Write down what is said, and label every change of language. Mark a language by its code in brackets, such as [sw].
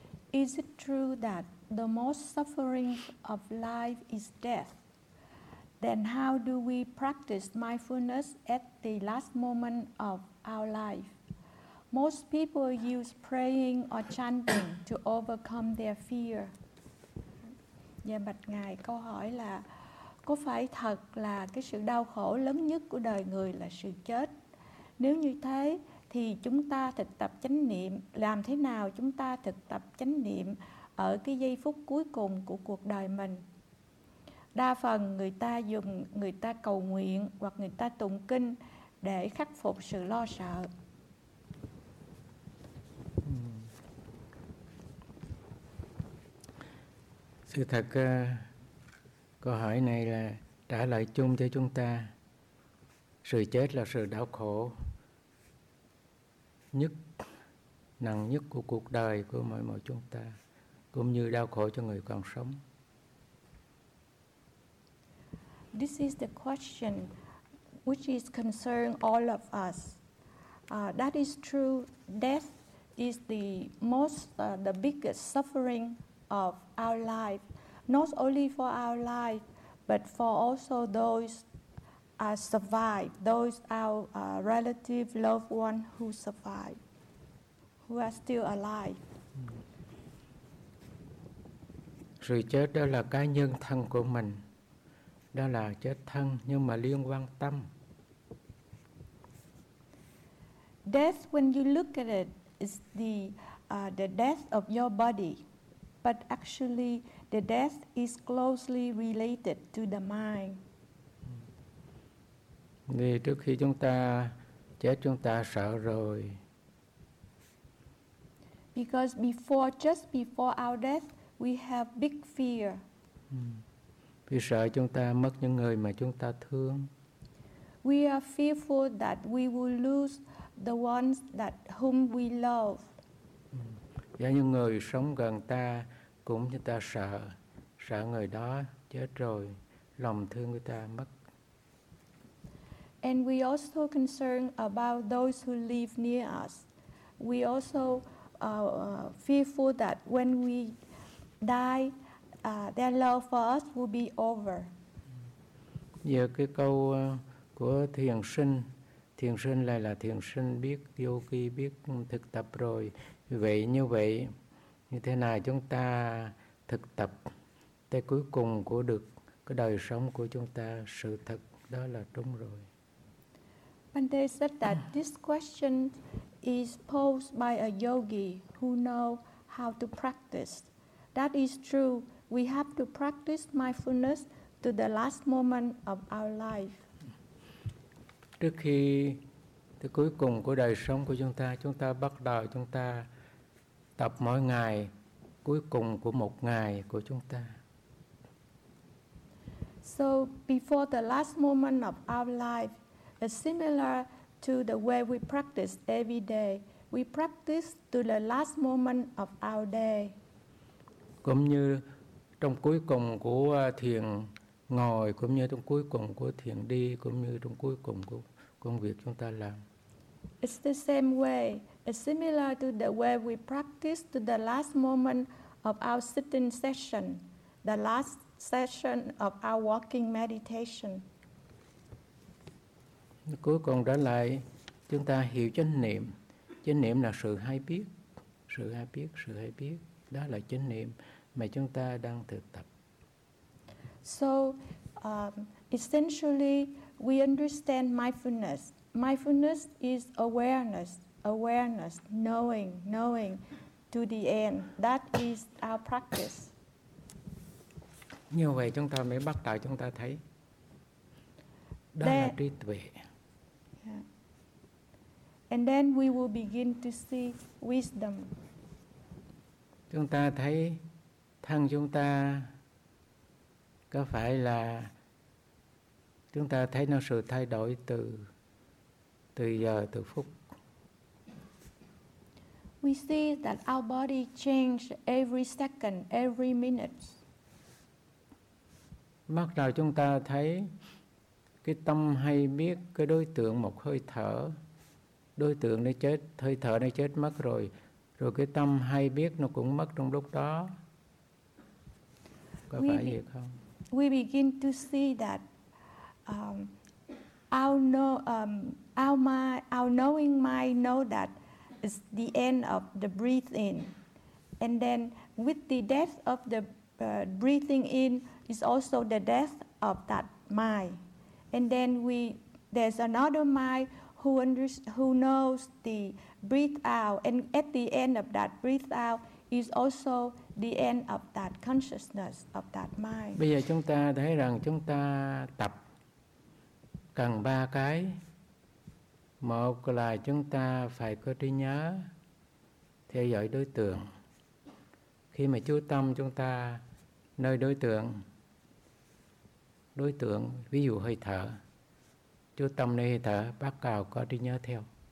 [en] Is it true that the most suffering of life is death? Then how do we practice mindfulness at the last moment of our life? Most people use praying or chanting to overcome their fear. [vi] Dạ bạch ngài, câu hỏi là có phải thật là cái sự đau khổ lớn nhất của đời người là sự chết? Nếu như thế thì chúng ta thực tập chánh niệm, làm thế nào chúng ta thực tập chánh niệm ở cái giây phút cuối cùng của cuộc đời mình? Đa phần người ta cầu nguyện hoặc người ta tụng kinh để khắc phục sự lo sợ. Sự thật, câu hỏi này là trả lời chung cho chúng ta. Sự chết là sự đau khổ nhất, nặng nhất của cuộc đời của mỗi một chúng ta, cũng như đau khổ cho người còn sống. [en] This is the question which is concerning all of us. That is true. Death is the biggest suffering of our life, not only for our life, but for also those who survive, those our relative loved one who survive, who are still alive. [vi] Sự chết đó là cá nhân thân của mình. Đó là chết thân nhưng mà liên quan tâm. [en] Death, when you look at it, is the death of your body, but actually the death is closely related to the mind. [vi] Thì trước khi chúng ta chết chúng ta sợ rồi. [en] Because just before our death, we have big fear. [vi] Vì sợ chúng ta mất những người mà chúng ta thương. [en] We are fearful that we will lose the ones that whom we love. [vi] Giả như người sống gần ta cũng như ta sợ, sợ người đó chết rồi lòng thương người ta mất. [en] And we also concerned about those who live near us. We also fearful that when we die, their love for us will be over. [vi] Giờ cái câu của thiền sinh lại là thiền sinh biết yogi, biết thực tập rồi. Vậy như vậy, như thế nào chúng ta thực tập tới cuối cùng của được cái đời sống của chúng ta sự thật đó là đúng rồi. [en] Bhante said that this question is posed by a yogi who know how to practice. That is true. We have to practice mindfulness to the last moment of our life. [vi] Trước khi tới cuối cùng của đời sống của chúng ta bắt đầu chúng ta tập mỗi ngày cuối cùng của một ngày của chúng ta. [en] So before the last moment of our life is similar to the way we practice every day. We practice to the last moment of our day. [vi] Cũng như trong cuối cùng của thiền ngồi, cũng như trong cuối cùng của thiền đi, cũng như trong cuối cùng của công việc chúng ta làm. [en] It's the same way. It's similar to the way we practice to the last moment of our sitting session, the last session of our walking meditation. [vi] Cuối cùng trở lại, chúng ta hiểu chánh niệm. Chánh niệm là sự hay biết. Sự hay biết, sự hay biết. Đó là chánh niệm mà chúng ta đang thực tập. [en] So essentially, we understand mindfulness. Mindfulness is awareness, knowing to the end. That is our practice. [vi] Như vậy chúng ta mới bắt đầu chúng ta thấy đó là trí tuệ. [en] And then we will begin to see wisdom. [vi] Chúng ta thấy thân chúng ta có phải là chúng ta thấy nó sự thay đổi từ giờ từ phút. [en] We see that our body changes every second, every minute. [vi] Bắt đầu chúng ta thấy cái tâm hay biết cái đối tượng một hơi thở, đối tượng nó chết, hơi thở nó chết mất rồi, rồi cái tâm hay biết nó cũng mất trong lúc đó. Có phải vậy không? [en] We begin to see that our knowing mind know that it's the end of the breathing, and then with the death of the breathing in is also the death of that mind, and then there's another mind who knows the breathe out, and at the end of that breathe out is also the end of that consciousness of that mind. [vi] Bây giờ chúng ta thấy rằng chúng ta tập cần ba cái. Một là chúng ta phải có trí nhớ, theo dõi đối tượng. Khi mà chú tâm chúng ta nơi đối tượng ví dụ hơi thở, chú tâm nơi hơi thở, bắt đầu có trí nhớ theo.